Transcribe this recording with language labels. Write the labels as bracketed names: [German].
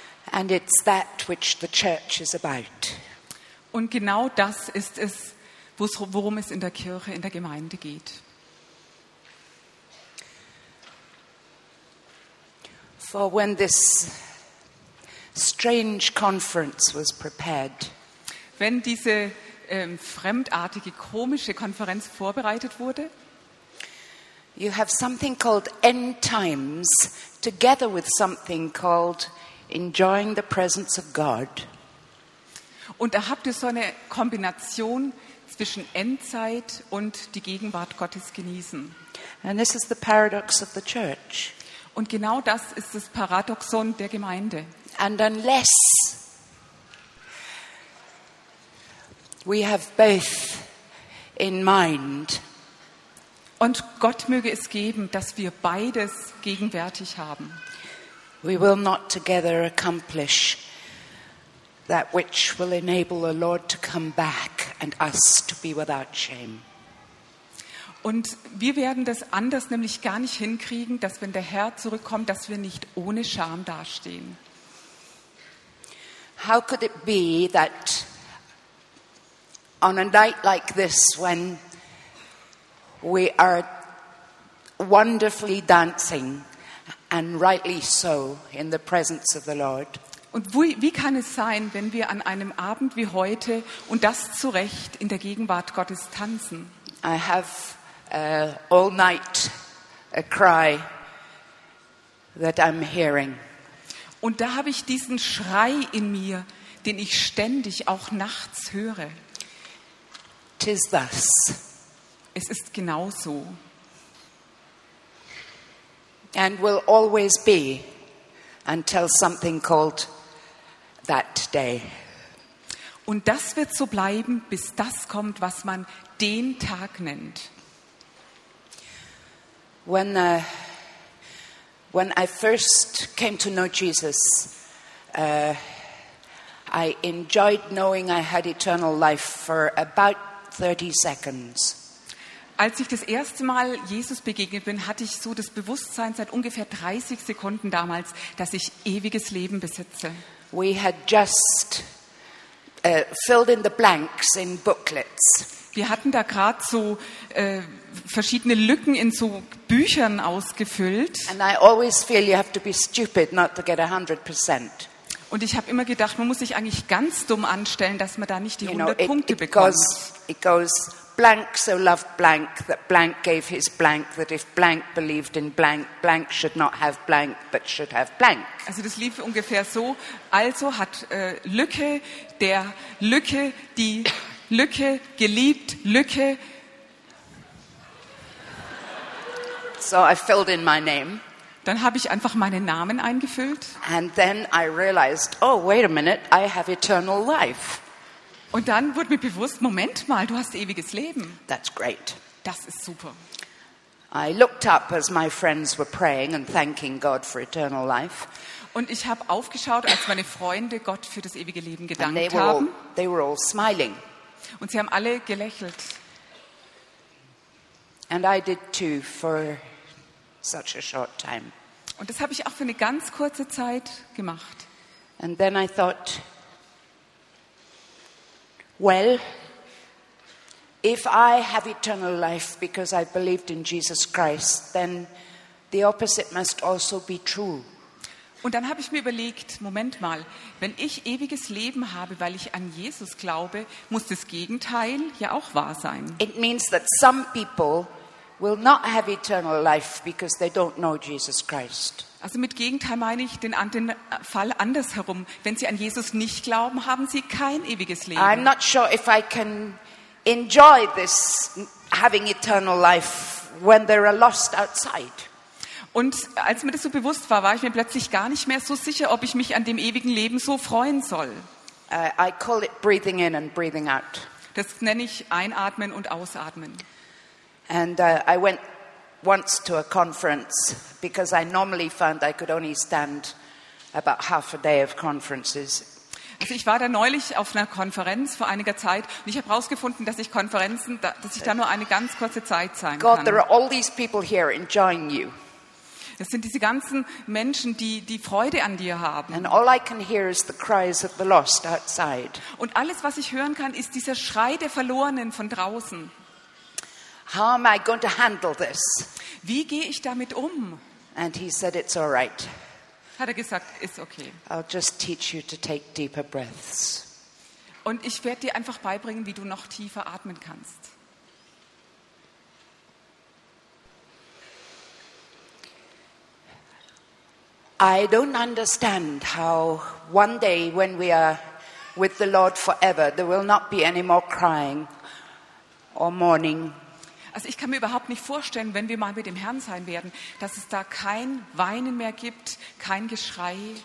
[English] And it's that which the church is about. [German] Und genau das ist es, worum es in der Kirche, in der Gemeinde geht. [English] For when this strange conference was prepared, [German] wenn diese fremdartige, komische Konferenz vorbereitet wurde, [English] you have something called end times together with something called enjoying the presence of God. [German] Und da habt ihr so eine Kombination zwischen Endzeit und die Gegenwart Gottes genießen. [English] And this is the paradox of the church. [German] Und genau das ist das Paradoxon der Gemeinde. [English] And unless we have both in mind, [German] und Gott möge es geben, dass wir beides gegenwärtig haben, [English] we will not together accomplish that which will enable the Lord to come back and us to be without shame. [German] Und wir werden das anders nämlich gar nicht hinkriegen, dass wenn der Herr zurückkommt, dass wir nicht ohne Scham dastehen. [English] How could it be that on a night like this, when we are wonderfully dancing and rightly so in the presence of the Lord? [German] Und wie kann es sein, wenn wir an einem Abend wie heute und das zu Recht in der Gegenwart Gottes tanzen? [English] I have all night a cry that I'm hearing. [German] Und da habe ich diesen Schrei in mir, den ich ständig auch nachts höre. [English] Tis thus. [German] Es ist genau so. [English] And will always be until something called that day. [German] Und das wird so bleiben, bis das kommt, was man den Tag nennt. [English] When I first came to know Jesus, I enjoyed knowing I had eternal life for about 30 seconds. [German] Als ich das erste Mal Jesus begegnet bin, hatte ich so das Bewusstsein seit ungefähr 30 Sekunden damals, dass ich ewiges Leben besitze. [English] We had just filled in the blanks in booklets. [German] Wir hatten da gerade so verschiedene Lücken in so Büchern ausgefüllt. [English] And I always feel you have to be stupid not to get 100%. [German] Und ich habe immer gedacht, man muss sich eigentlich ganz dumm anstellen, dass man da nicht die 100 Punkte bekommt. [English] It goes blank so loved blank that blank gave his blank that if blank believed in blank, blank should not have blank but should have blank. [German] Also das lief ungefähr so. Also hat Lücke der Lücke die Lücke geliebt Lücke. [English] So I filled in my name. [German] Dann habe ich einfach meinen Namen eingefüllt. [English] And then I realized, oh wait a minute, I have eternal life. [German] Und dann wurde mir bewusst, Moment mal, du hast ewiges Leben. [English] That's great. [German] Das ist super. [English] I looked up as my friends were praying and thanking God for eternal life. [German] Und ich habe aufgeschaut, als meine Freunde Gott für das ewige Leben gedankt haben. [English] They were all smiling. [German] Und sie haben alle gelächelt. [English] And I did too for such a short time. [German] Und das habe ich auch für eine ganz kurze Zeit gemacht. [English] And then I thought, well, if I have eternal life because I believed in Jesus Christ, then the opposite must also be true. [German] Und dann habe ich mir überlegt, Moment mal, wenn ich ewiges Leben habe, weil ich an Jesus glaube, muss das Gegenteil ja auch wahr sein. [English] It means that some people will not have eternal life because they don't know Jesus Christ. [German] Also mit Gegenteil meine ich den Fall andersherum. Wenn Sie an Jesus nicht glauben, haben Sie kein ewiges Leben. [English] I'm not sure if I can enjoy this having eternal life when there are lost outside. [German] Und als mir das so bewusst war, war ich mir plötzlich gar nicht mehr so sicher, ob ich mich an dem ewigen Leben so freuen soll. [English] I call it breathing in and breathing out. [German] Das nenne ich Einatmen und Ausatmen. [English] And I went once to a conference because I normally found I could only stand about half a day of conferences. [German] Also ich war da neulich auf einer Konferenz vor einiger Zeit und ich habe herausgefunden, dass ich Konferenzen, dass ich da nur eine ganz kurze Zeit sein kann. [English] God, there are all these people here enjoying you. [German] Das sind diese ganzen Menschen, die Freude an dir haben. [English] And all I can hear is the cries of the lost outside. [German] Und alles, was ich hören kann, ist dieser Schrei der Verlorenen von draußen. [English] How am I going to handle this? [German] Wie gehe ich damit um? [English] And he said, it's all right. [German] Hat er gesagt, ist okay. [English] I'll just teach you to take deeper breaths. [German] Und ich werde dir einfach beibringen, wie du noch tiefer atmen kannst. [English] I don't understand how one day when we are with the Lord forever, there will not be any more crying or mourning. [German] Also ich kann mir überhaupt nicht vorstellen, wenn wir mal mit dem Herrn sein werden, dass es da kein Weinen mehr gibt, kein Geschrei.